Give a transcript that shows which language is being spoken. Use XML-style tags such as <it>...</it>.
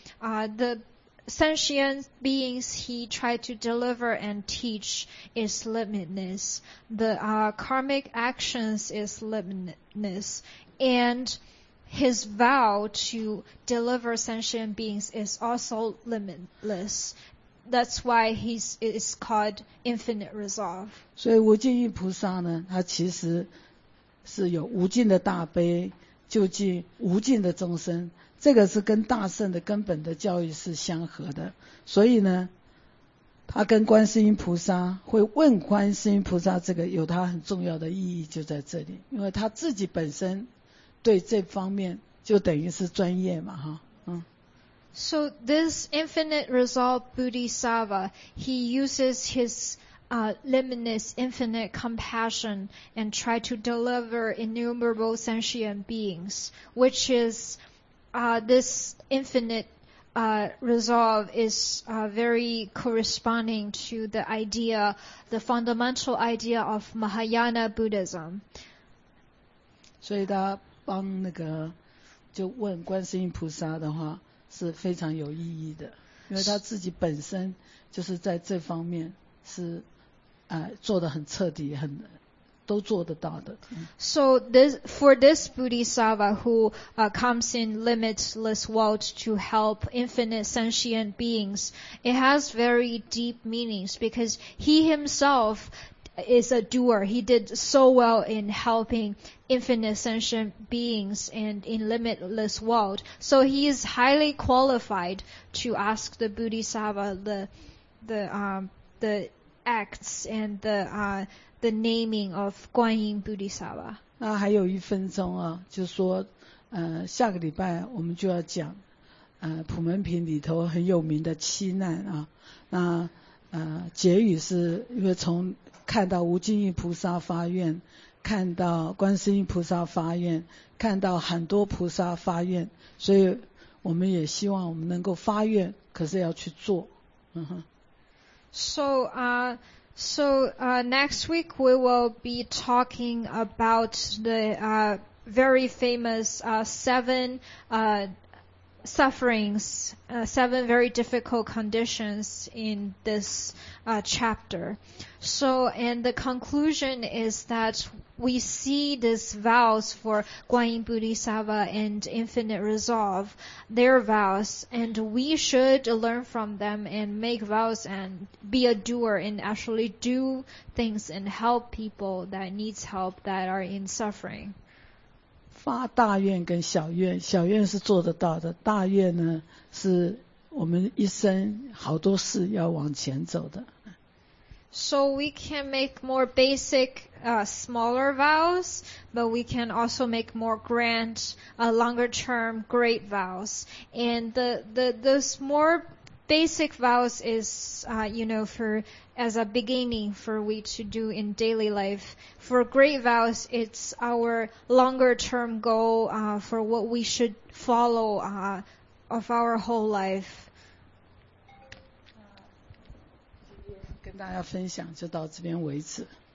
<en>The sentient beings he tried to deliver and teach is limitless. The karmic actions is limitless. And his vow to deliver sentient beings is also limitless. That's why it's called infinite resolve.</en> <zh>所以无尽意菩萨呢，他其实是有无尽的大悲究竟无尽的众生，这个是跟大圣的根本的教育是相合的。所以呢，他跟观世音菩萨会问观世音菩萨，这个有他很重要的意义就在这里，因为他自己本身对这方面就等于是专业嘛，哈，嗯。</zh> <en>So this infinite resolve Bodhisattva, he uses his limitless infinite compassion and try to deliver innumerable sentient beings, which is this infinite resolve is very corresponding to the idea, the fundamental idea of Mahayana Buddhism.</en> <zh>所以他帮那个就问观世音菩萨的话是非常有意义的，因为他自己本身就是在这方面是做得很彻底，很都做得到的。</zh> <en>So this for this Bodhisattva who comes in limitless world to help infinite sentient beings, it has very deep meanings because he himself is a doer. He did so well in helping infinite sentient beings and in limitless world. So he is highly qualified to ask the Bodhisattva the acts and the naming of Guanyin Bodhisattva.</en> <zh>那还有一分钟啊，就是说，下个礼拜我们就要讲，普门品里头很有名的七难啊。那结语是因为从看到无尽意菩萨发愿，看到观世音菩萨发愿，看到很多菩萨发愿，所以我们也希望我们能够发愿，可是要去做。</zh> <en>Next week we will be talking about the very famous seven very difficult conditions in this chapter. So, and the conclusion is that we see these vows for Guanyin Bodhisattva and Infinite Resolve, their vows, and we should learn from them and make vows and be a doer and actually do things and help people that needs help that are in suffering.</en> <zh>发大愿跟小愿，小愿是做得到的，大愿呢是我们一生好多事要往前走的。</zh> <en>So we can make more basic, smaller vows, but we can also make more grand, longer term great vows. And those more basic vows is, you know, for as a beginning for we to do in daily life. For great vows, it's our longer term goal, for what we should follow, of our whole life.</en> <zh>跟大家分享就到这边为止。</zh>